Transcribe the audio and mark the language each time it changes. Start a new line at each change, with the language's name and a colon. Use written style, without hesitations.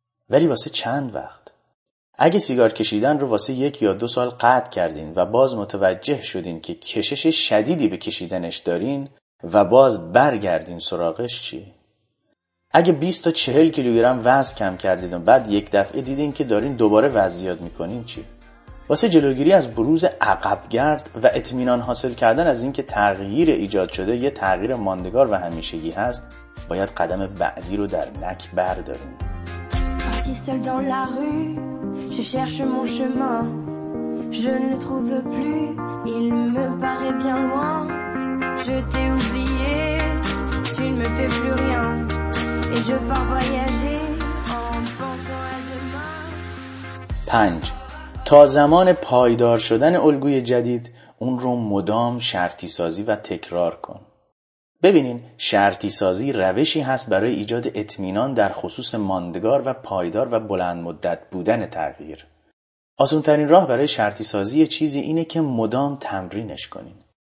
Persian: ولی واسه چند وقت؟ اگه سیگار کشیدن رو واسه 1 یا 2 سال قطع کردین و باز متوجه شدین که کشش شدیدی به کشیدنش دارین و باز برگردین سراغش چی؟ اگه 20 تا 40 کیلوگرم وزن کم کردین و بعد 1 دفعه دیدین که دارین دوباره وزن زیاد میکنین چی؟ واسه جلوگیری از بروز عقبگرد و اطمینان حاصل کردن از اینکه تغییر ایجاد شده یه تغییر ماندگار و همیشگی هست، باید قدم بعدی رو در نک برداریم.
French: Partie seule dans la rue, je cherche mon chemin. Je ne trouve plus, il me paraît bien loin. Je t'ai oublié, tu ne me fais plus rien. Et je pars voyager en pensant à demain.
Persian: 5. تا زمان پایدار شدن الگوی جدید، اون رو مدام شرطی سازی و تکرار کن. ببینین، شرطی سازی روشی هست برای ایجاد اطمینان در خصوص ماندگار و پایدار و بلند مدت بودن تغییر. آسان‌ترین راه برای شرطی سازی چیزی اینه که مدام تمرینش کنین.